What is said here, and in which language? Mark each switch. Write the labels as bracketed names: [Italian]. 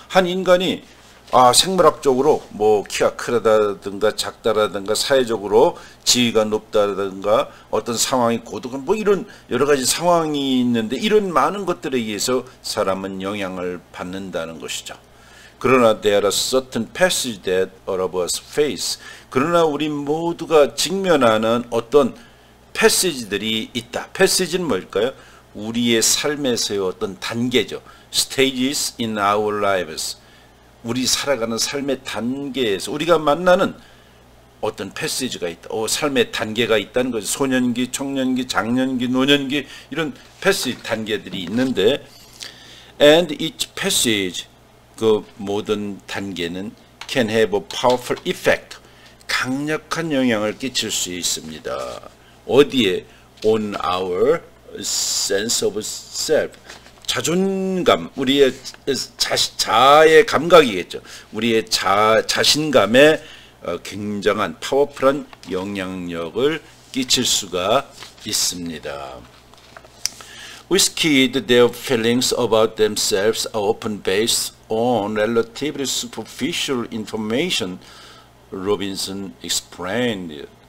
[Korean] 한 인간이 생물학적으로 뭐 키가 크다든가 작다라든가 사회적으로 지위가 높다든가 어떤 상황이 고독한 뭐 이런 여러 가지 상황이 있는데 이런 많은 것들에 의해서 사람은 영향을 받는다는 것이죠. 그러나 [English] there are certain passages that all of us face. [Korean] 그러나 우리 모두가 직면하는 어떤 패시지들이 있다. 패시지는 뭘까요? 우리의 삶에서의 어떤 단계죠. [English] Stages in our lives. [Korean] 우리 살아가는 삶의 단계에서 우리가 만나는 어떤 패시지가 있다. 삶의 단계가 있다는 거죠. 소년기, 청년기, 장년기, 노년기 이런 패시지 단계들이 있는데 [English] And each passage, [Korean] 그 모든 단계는 [English] can have a powerful effect. [Korean] 강력한 영향을 끼칠 수 있습니다. 어디에? [English] On our sense of self. [Korean] 자존감, 우리의 자아의 감각이겠죠. 우리의 자신감에 굉장한 파워풀한 영향력을 끼칠 수가 있습니다. [English] With kids, their feelings about themselves are often based on relatively superficial information, Robinson explained.